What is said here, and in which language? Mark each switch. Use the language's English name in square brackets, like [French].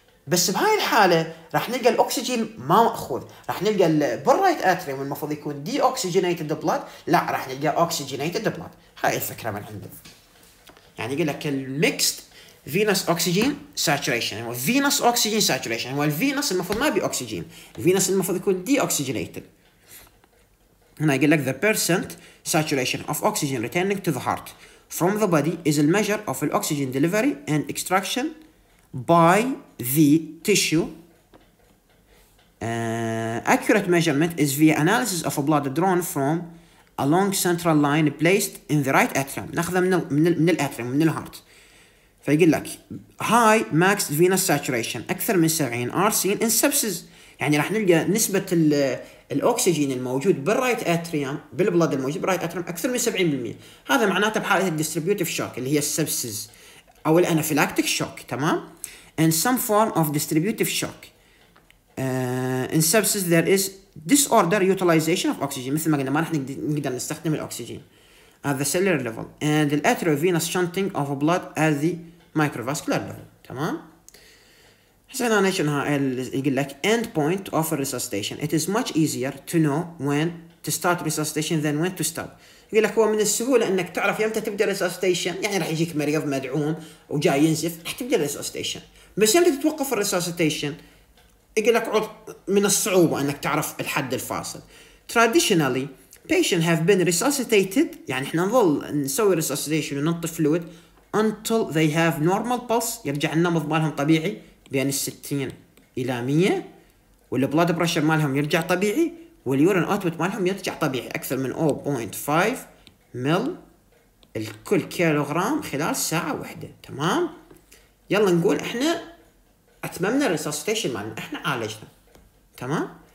[Arabic] بس بهاي الحاله راح نلقى الاكسجين ما ماخوذ، راح نلقى بالرايت اتريوم المفروض يكون دي اوكسجينيتد بلاد، لا راح نلقى اوكسجينيتد بلاد. هاي الفكره من عنده، يعني يقول لك الميكست فينوس اوكسجين ساتوريشن، هو فينوس اوكسجين ساتوريشن، هو الفينوس المفروض ما بي اوكسجين، الفينوس المفروض يكون دي اوكسجينيتد. هنا يقول لك [English] the percent saturation of oxygen returning to the heart from the body is a measure of the oxygen delivery and extraction by the tissue. Accurate measurement is via analysis of a blood drawn from a long central line placed in the right atrium. [Arabic] ناخذها من الـ من الـ من الاتريوم من الهارت. فيقول لك [English] high max venous saturation [Arabic] أكثر من 70 [English] are seen in sepsis. [Arabic] يعني راح نلقى نسبة الأكسجين الموجود بالرايت أتريوم بالبلاد الموجود بالرايت أتريوم أكثر من 70%. هذا معناته بحالة الديستريبيوتيف شوك اللي هي السبسز أو الأنافيلاكتيك شوك. تمام. [English] and some form of distributive shock in sepsis there is disorder utilization of oxygen. [Arabic] مثل ما قلنا ما راح نقدر نستخدم الأكسجين [English] at the cellular level and the arteriovenous shunting of blood at the microvascular level. [Arabic] تمام. حسنا نشوف هاي اللي يقول لك end point of a resuscitation. [English] It is much easier to know when to start resuscitation than when to stop. [Arabic] يقول لك هو من السهولة إنك تعرف يمتى تبدأ resuscitation. يعني راح يجيك مريض مدعوم وجاي ينزف راح تبدأ resuscitation. بس يمتى تتوقف resuscitation؟ يقول لك من الصعوبة إنك تعرف الحد الفاصل. [English] Traditionally, patients have been resuscitated. [Arabic] يعني إحنا نظل نسوي [English] resuscitation [Arabic] وننطي [English] fluid until they have normal pulse. [Arabic] يرجع النبض مالهم طبيعي. بين 60 إلى 100 والبلاد بريشر مالهم يرجع طبيعي واليورين أوتبوت مالهم يرجع طبيعي أكثر من 0.5 مل الكل كيلوغرام خلال ساعة واحدة. تمام. يلا نقول إحنا أتممنا الريسوسيتيشن مالنا إحنا عالجنا. تمام.